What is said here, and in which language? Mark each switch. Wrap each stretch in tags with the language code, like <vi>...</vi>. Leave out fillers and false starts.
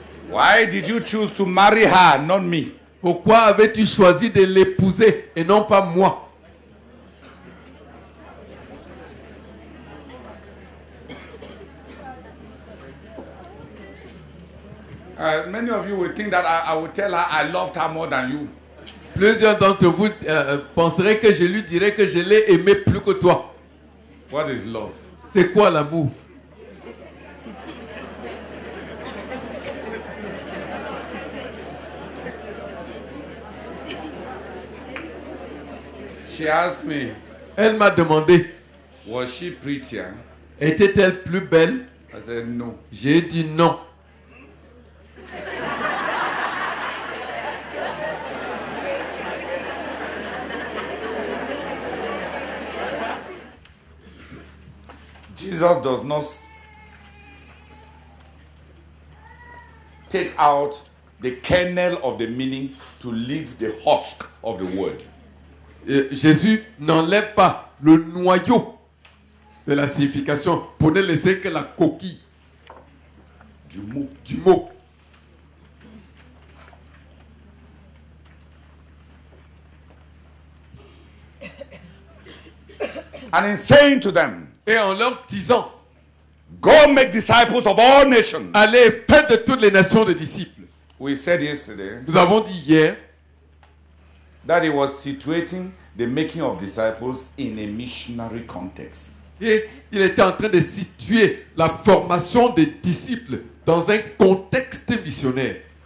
<en>Why did you choose to marry her, not me?</en> <fr>Pourquoi avais-tu choisi de l'épouser et non pas moi?</fr> <en>Many of you will think that I will tell her I loved her more than you.</en> <fr>Plusieurs d'entre vous penseraient que je lui dirais que je l'ai aimé plus que toi.</fr> <en>What is love?</en> <fr>C'est quoi l'amour?</fr> <en>She asked me,</en> <fr>elle m'a demandé,</fr> <en>was she prettier?</en> <fr>Était-elle plus belle?</fr> <en>I said no.</en> <fr>J'ai dit non.</fr> <en>Jesus Jesus does not take out the kernel of the meaning to leave the husk of the word.</en> <fr>Jésus n'enlève pas le noyau de la signification pour ne laisser que la coquille du mot.</fr> <en>And in saying to them,</en> <fr>et en leur disant,</fr> <en>go make disciples of all nations.</en> <fr>Allez, faites de toutes les nations de disciples.</fr> <en>We said yesterday,</en> <fr>nous avons dit hier,</fr> <en>that he was situating the making of disciples in a missionary context.</en> <fr>Et il était en train de situer la formation des disciples dans un contexte missionnaire.</fr>